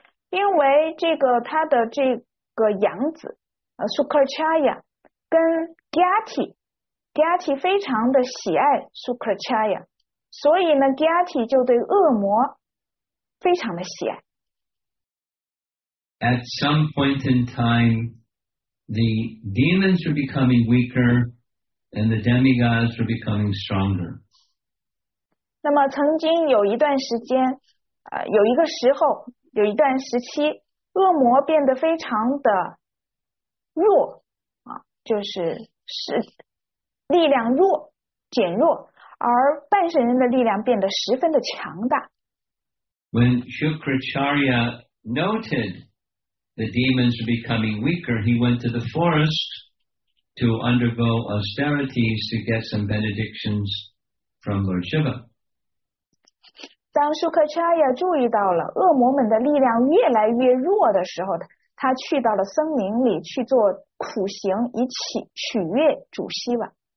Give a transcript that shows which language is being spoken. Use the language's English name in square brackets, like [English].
[Chinese] 因为这个他的这个养子 Shukracharya 跟 Gyati, Gyati 非常的喜爱 Shukracharya, 所以呢 Gyati 就对恶魔非常的喜爱。 [English] At some point in time, the demons were becoming weaker and the demigods were becoming stronger. [Chinese] 那么曾经有一段时间、有一个时候有一段时期恶魔变得非常的弱、啊、就 是力量弱减弱而半神人的力量变得十分的强大。 [English] When Shukracharya noted the demons were becoming weaker, he went to the forest to undergo austerities to get some benedictions from Lord Shiva. [Chinese] 当 Shukracharya 注意到了恶魔们的力量越来越弱的时候，他去到了森林里去做苦行，以取悦主西瓦。